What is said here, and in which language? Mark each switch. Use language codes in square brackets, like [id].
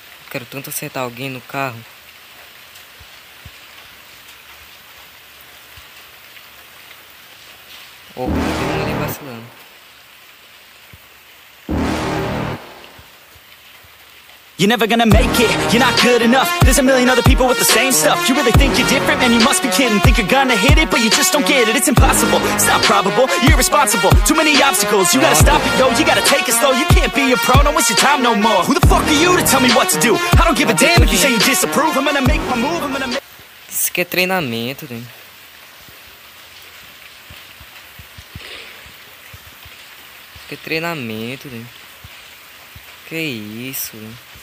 [pt] Quero tanto acertar alguém no carro. Opa, tem um ali vacilando. [en] You're never gonna make it, you're not good enough. There's a million other people with the same stuff. You really think you're different, man, you must be kidding. Think you're gonna hit it, but you just don't get it. It's impossible, it's not probable, you're irresponsible. Too many obstacles, you gotta stop it, yo. You gotta take it slow, you can't be a pro. Don't waste your time no more. Who the fuck are you to tell me what to do? I don't give a damn if you say you disapprove. I'm gonna make my move, I'm gonna make. [pt] Isso aqui é treinamento, né? Isso aqui é treinamento, né? Que isso, né?